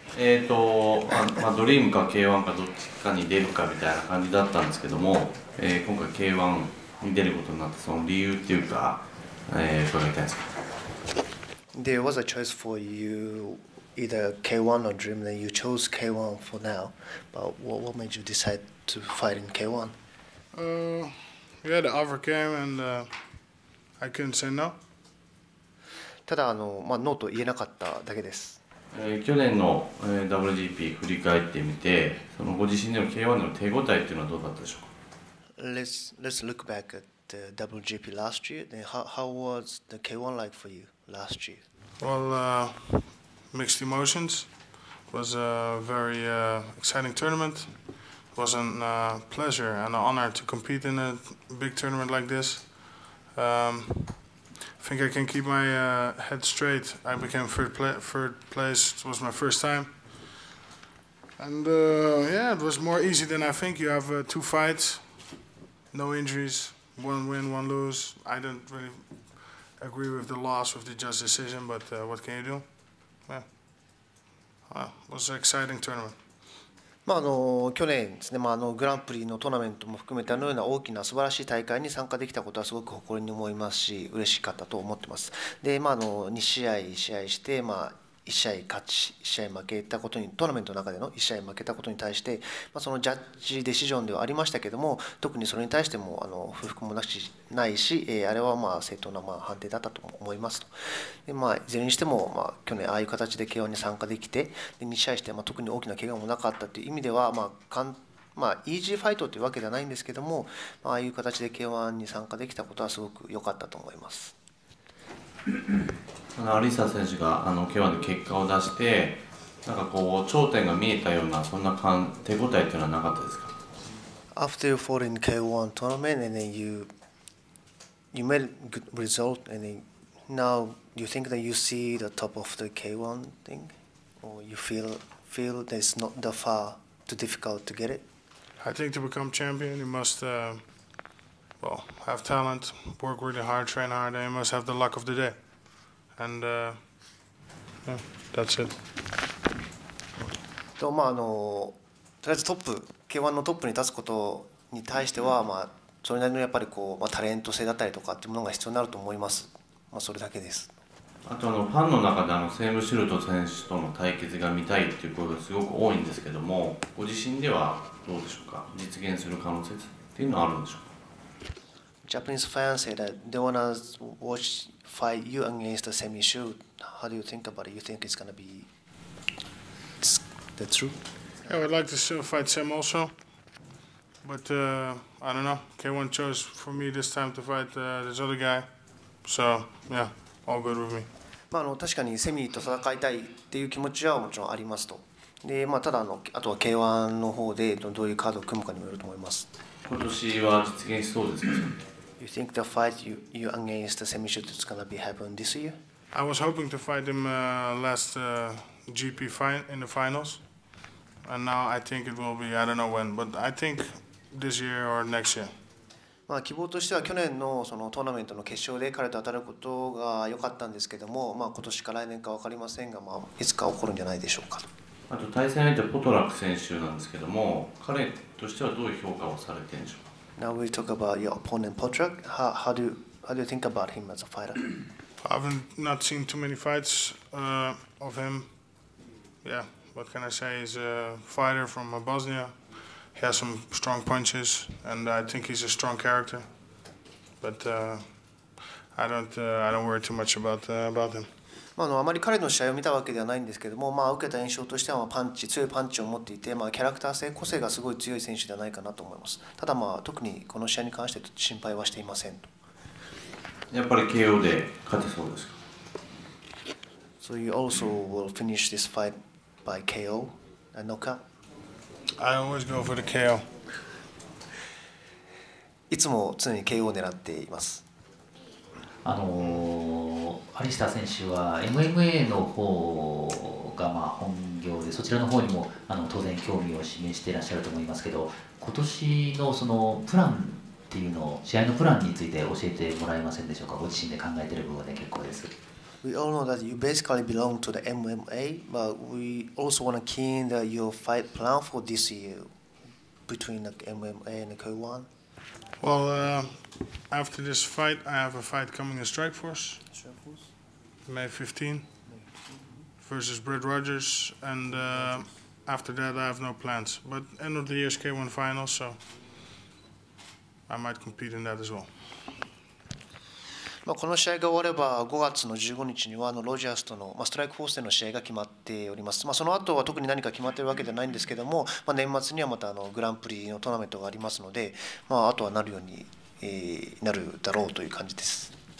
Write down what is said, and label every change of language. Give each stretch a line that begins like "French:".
Japanese: まあ、ドリームか K1 かどっちかに出るかみたいな感じだったんですけども、今回 K1 に出ることになったその理由っていうか、伺いたいんですか。
English: There was a choice for you either K1 or Dream, then you chose K1 for now. But what made you decide to fight in K1? We had an offer came and I couldn't say no.
Japanese: ただまあ、ノーと言えなかっただけです。去年の、WGP 振り返ってみて、そのご自身での K1 での手応えっていうのはどうだったでしょうか。
English: Let's look back at the WGP last year. Then how was the K1 like for you last year? Well, mixed emotions. Was a very exciting tournament. Was an pleasure and an honor to compete in a big tournament like this. I think I can keep my head straight. I became third place. It was my first time. And yeah, it was more easy than I think. You have two fights, no injuries, one win, one lose. I don't really agree with the loss with the judge decision, but what can you do? Yeah. Well, it was an exciting tournament.
Japanese: まあ、去年ですね、まあ、グランプリのトーナメントも含めてあのような大きな素晴らしい大会に参加できたことはすごく誇りに思いますし嬉しかったと思ってます。で、まあ、2試合試合して、まあ、1試合勝ち1試合負けたことにトーナメントの中での1試合負けたことに対して、まあ、そのジャッジデシジョンではありましたけども特にそれに対しても不服もないし、あれはまあ正当なまあ判定だったと思いますと。で、まあ、いずれにしても、まあ、去年ああいう形で KO に参加できてで2試合して、まあ、特に大きな怪我もなかったという意味では、まあまあ、イージーファイトというわけではないんですけども、まああいう形で KO に参加できたことはすごく良かったと思います。アリスター選手が K1 で結果を出してなんかこう頂点が見えたようなそんな手応えというのはなかったですか。
English: After you fought in K1 tournament and then you made a good result and then now you think that you see the top of the K1 thing or you feel that it's not that far too difficult to get it? I think to become champion you must well, have talent, work really hard, train hard and you must have the luck of the dayAnd that's it.
Japanese: とまあとりあえずトップ K1 のトップに立つことに対しては、mm-hmm. まあそれなりのやっぱりこうまあタレント性だったりとかっていうものが必要になると思います。まあそれだけです。あとファンの中でセームシルト選手との対決が見たいっていう声がすごく多いんですけども、ご自身ではどうでしょうか。実現する可能性っていうのはあるんでしょうか。
English: Japanese fans say that they wanna watch fight you against the same issue. How do you think about it? You think it's gonna be the truth? Yeah, I'd like to fight Sam also, but I don't know. K1 chose for me this time to fight this other guy, so yeah, all good with me.
Japanese: まあ確かにセミと戦いたいっていう気持ちはもちろんありますと。で、まあただあとは K1 の方でどういうカードを組むかにもよると思います。今年は実現しそうですか。
English: You think the fight you against the semi shoot is gonna be happen this year? I was hoping to fight him last GP fight in the finals, and now I think it will be I don't know when, but I think this year or next year.
Japanese: まあ希望としては去年のそのトーナメントの決勝で彼と当たることが良かったんですけども、まあ今年か来年か分かりませんが、まあいつか起こるんじゃないでしょうか。あと対戦相手ポトラック選手なんですけども、彼としてはどういう評価をされているんでしょうか。
English: Now we talk about your opponent Poturak. How do you think about him as a fighter? I haven't not seen too many fights of him. Yeah, what can I say? He's a fighter from Bosnia. He has some strong punches, and I think he's a strong character. But I don't worry too much about him.
Japanese: まああまり彼の試合を見たわけではないんですけども、まあ、受けた印象としては、まあ、パンチ強いパンチを持っていて、まあ、キャラクター性個性がすごい強い選手ではないかなと思います。ただ、まあ、特にこの試合に関して心配はしていませんと。やっぱり KO で勝てそうですか。
English: So you also will finish this fight by KO a knockout? I always go for the KO.
Japanese: いつも常に KO を狙っています。アリスター選手は MMA の方がまあ本業でそちらの方にも当然興味を示していらっしゃると思いますけど今年のそのプランっていうのを試合のプランについて教えてもらえませんでしょうか。ご自身で考えている部分で結構です。
English: We all know that you basically belong to the MMA, but we also want to keen that your fight plan for this year between the MMA and the K1. Well, after this fight, I have a fight coming in Strikeforce. May 15 versus Brett Rogers, and after that I have no plans. But end of the year is K1 final, so I might compete in that as well.
Japanese: まあ、この試合が終われば5月の15日にはロジャースとのストライクフォースでの試合が決まっております。まあ、その後は特に何か決まっているわけではないんですけども、まあ、年末にはまたグランプリのトーナメントがありますので、まあ、あとはなるようになるだろうという感じです。